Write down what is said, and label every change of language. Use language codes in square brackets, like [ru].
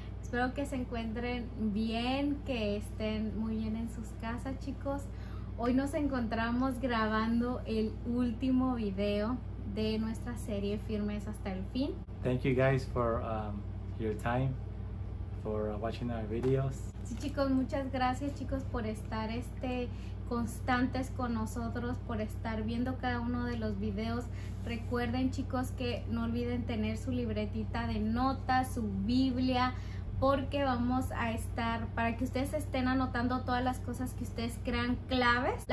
[es] Espero que se encuentren bien, que estén muy bien en sus casas, chicos. Hoy nos encontramos grabando el último video de nuestra serie Firmes hasta el fin. [en] Thank you guys for your time, for watching our videos. [es] Sí, chicos, muchas gracias, chicos, por estar constantes con nosotros, por estar viendo cada uno de los videos. Recuerden, chicos, que no olviden tener su libretita de notas, su Biblia, porque vamos a estar, para que ustedes estén anotando todas las cosas que ustedes crean claves.